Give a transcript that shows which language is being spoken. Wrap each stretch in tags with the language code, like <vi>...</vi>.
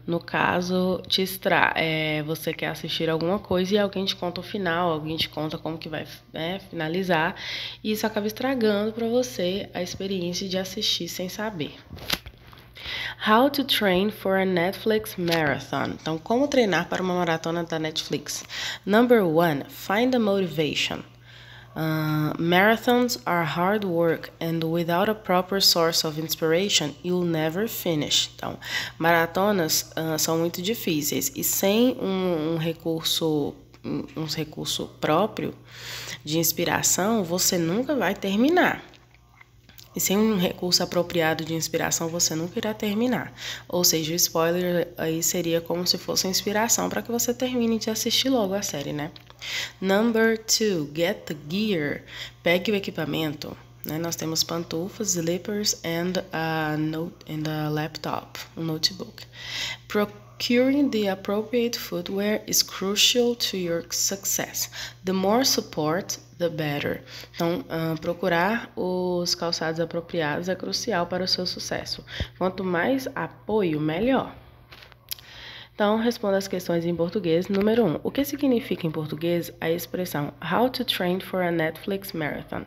<pt>No caso, te estra você quer assistir alguma coisa e alguém te conta o final, alguém te conta como que vai, né, finalizar, e isso acaba estragando para você a experiência de assistir sem saber.</pt> <en>How to train for a Netflix marathon.</en> <pt>Então, como treinar para uma maratona da Netflix?</pt> <en>Number one, find the motivation. Marathons are hard work and without a proper source of inspiration, you'll never finish.</en> <pt>Então, maratonas, são muito difíceis e sem um recurso próprio de inspiração, você nunca vai terminar. E sem um recurso apropriado de inspiração, você nunca irá terminar. Ou seja, o spoiler aí seria como se fosse inspiração para que você termine de assistir logo a série, né?</pt> <en>Number two, get the gear.</en> <pt>Pegue o equipamento, né? Nós temos pantufas,</pt> <en>slippers and a laptop,</en> <pt>um notebook.</pt> <en>Procuring the appropriate footwear is crucial to your success. The more support, the better.</en> <pt>Então, procurar os calçados apropriados é crucial para o seu sucesso. Quanto mais apoio, melhor. Então, responda as questões em português. Número 1. O que significa em português a expressão</pt> <en>How to train for a Netflix marathon?</en>